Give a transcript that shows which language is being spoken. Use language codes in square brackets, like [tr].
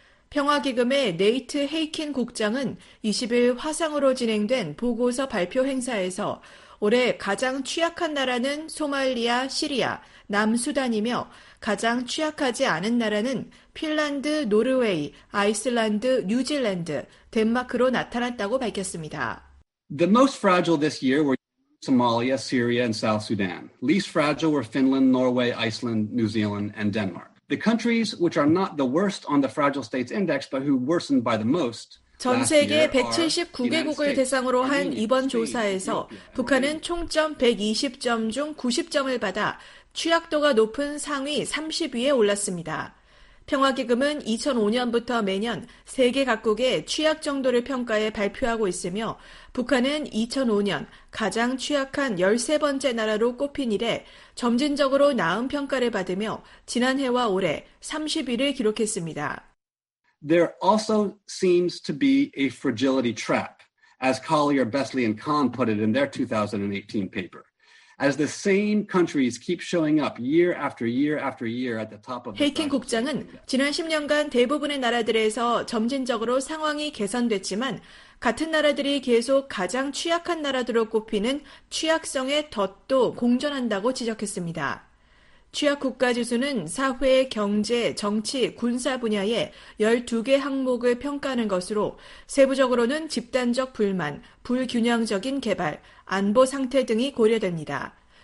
[ko] 평화기금의 네이트 헤이킨 국장은 20일 화상으로 진행된 보고서 발표 행사에서 올해 가장 취약한 나라는 소말리아, 시리아, 남수단이며 가장 취약하지 않은 나라는 핀란드, 노르웨이, 아이슬란드, 뉴질랜드, 덴마크로 나타났다고 밝혔습니다. [en] The most fragile this year were Somalia, Syria, and South Sudan. Least fragile were Finland, Norway, Iceland, New Zealand, and Denmark. The countries which are not the worst on the fragile states index, but who worsened by the most. [ko] 전 세계 179개국을 대상으로 한 이번 조사에서 북한은 총점 120점 중 90점을 받아 취약도가 높은 상위 30위에 올랐습니다. 평화기금은 2005년부터 매년 세계 각국의 취약 정도를 평가해 발표하고 있으며 북한은 2005년 가장 취약한 13번째 나라로 꼽힌 이래 점진적으로 나은 평가를 받으며 지난해와 올해 30위를 기록했습니다. [en] there also seems to be a fragility trap, as Collier, Besley, and Kahn put it in their 2018 paper. As the same countries keep showing up year after year after year at the top of the... [ko] 헤이킨 국장은 지난 10년간 대부분의 나라들에서 점진적으로 상황이 개선됐지만 같은 나라들이 계속 가장 취약한 나라들로 꼽히는 취약성의 덫도 공존한다고 지적했습니다. 취약 국가 지수는 사회, 경제, 정치, 군사 분야의 12개 항목을 평가하는 것으로 세부적으로는 집단적 불만, 불균형적인 개발, 안보 상태 등이 고려됩니다.